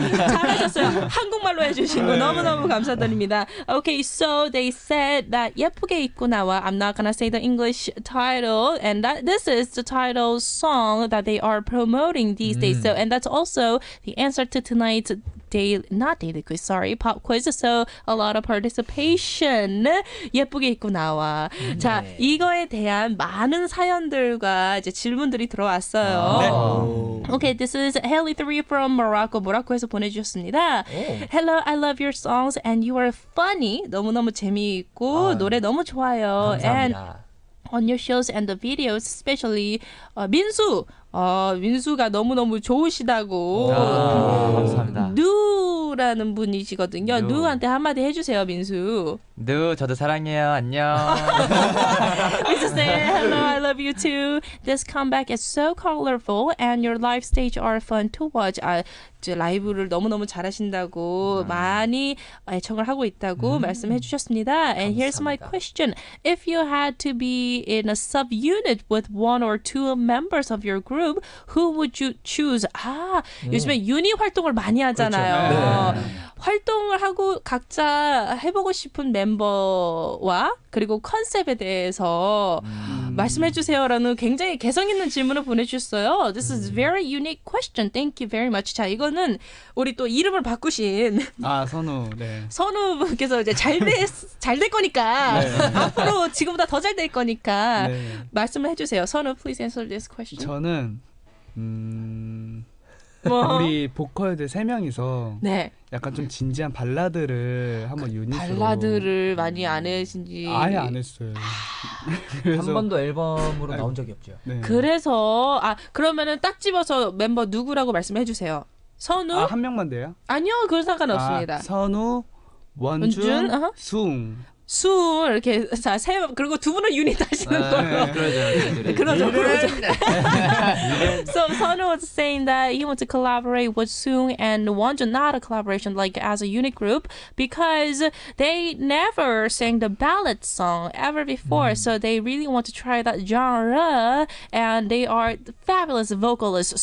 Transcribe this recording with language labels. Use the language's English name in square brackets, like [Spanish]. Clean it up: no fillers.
[Korean] 한국말로 해주신 거 너무너무 감사드립니다. [English] Okay, so they said that [Korean] 예쁘게 입고 나와. [English] I'm not gonna say the English title, and that this is the title song that they are promoting these days. So, and that's also the answer to tonight's daily quiz, pop quiz. So a lot of participation. [Korean] 예쁘게 입고 나와. 자, 이거에 대한 많은 사연들과 이제 질문들이 들어왔어요. [English] 네. Okay, this is Haley 3 from Morocco. [Korean] 모로코에서 보내주셨습니다. [English] Hello, I love your songs and you are funny. [Korean] 너무너무 재미있고 노래 너무 좋아요. 감사합니다. [English] And on your shows and the videos, especially 민수. [Korean] 민수가 너무너무 좋으시다고. 감사합니다. 누라는 분이시거든요. 누한테 한마디 해주세요, 민수. 누, 저도 사랑해요. 안녕. [English] We just say hello, I love you too. This comeback is so colorful and your live stage are fun to watch. [Korean] 라이브를 너무너무 잘하신다고 많이 애청을 하고 있다고 말씀해주셨습니다. [English] And [Korean] 감사합니다. [English] Here's my question. If you had to be in a subunit with one or two members of your group, who would you choose? [Korean] 아, 요즘에 유닛 활동을 많이 하잖아요. 그렇죠. 네. 활동을 하고 각자 해보고 싶은 멤버와 그리고 컨셉에 대해서 말씀해 주세요라는 굉장히 개성 있는 질문을 보내주셨어요. [English] This is very unique question. Thank you very much. [Korean] 자, 이거는 우리 또 이름을 바꾸신 아 선우. 네. 선우분께서 이제 잘될 거니까 네. 앞으로 지금보다 더 잘 될 거니까 네. 말씀을 해주세요. 선우, [English] please answer this question. [Korean] 저는 뭐? 우리 보컬들 세 명이서 네. 약간 좀 진지한 발라드를 한번 유닛으로 발라드를 많이 안 해신지 아예 안 했어요. 그래서 한 번도 앨범으로 나온 적이 없죠. 네. 그래서 아 그러면은 딱 집어서 멤버 누구라고 말씀해 주세요. 선우 아, 한 명만 돼요? 아니요, 그건 상관없습니다. 아, 선우, 원준, 숭. 숭 이렇게 자 세 그리고 두 분은 유닛 하시는 거예요. 네, 그러죠. [English] So Sonu was saying that he wants to collaborate with Soong and Wonjun, not a collaboration like as a unit group, because they never sang the ballad song ever before. So they really want to try that genre, and they are fabulous vocalists.